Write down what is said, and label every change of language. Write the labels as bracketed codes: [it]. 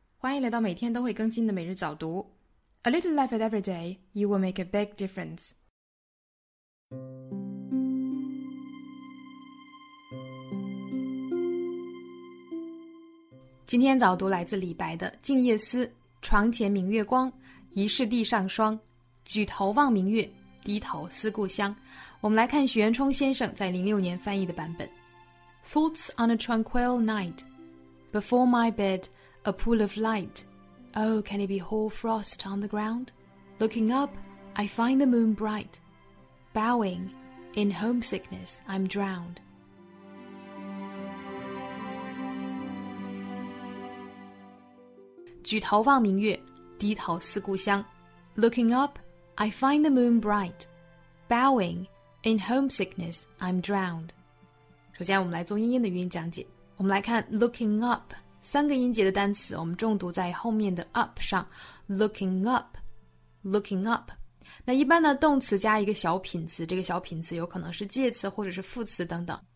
[zh] 欢迎来到每天都会更新的每日早读。 [en] A little effort every day, you will make a big difference. Today's [zh] 早读来自李白的《静夜思》。床前明月光，疑是地上霜。举头望明月，低头思故乡。我们来看许渊冲先生在2006年翻译的版本。 [en] Thoughts on a tranquil night. Before my bed, a pool of light. Oh, can it be hoar frost on the ground? Looking up, I find the moon bright. Bowing, in homesickness, I'm drowned. [zh] 举头望明月，低头思故乡。 [en] Looking up, I find the moon bright. Bowing, in homesickness, I'm drowned. [zh] 首先，我们来做英音的语音讲解。我们来看 [en] looking up [zh] 三个音节的单词，我们重读在后面的 up 上。 [en] looking up, looking up。 [zh] 那一般呢，动词加一个小品词，这个小品词有可能是介词或者是副词等等。